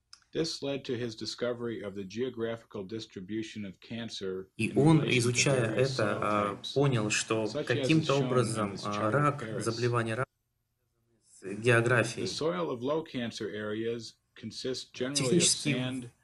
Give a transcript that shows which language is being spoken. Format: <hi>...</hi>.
<en>This led to his discovery of the geographical distribution of cancer.</en> <ru>И он, изучая это, понял, что каким-то образом рак, заболевание рака, с географией.</ru> <en>The soil of low cancer areas consists generally of sand.</en>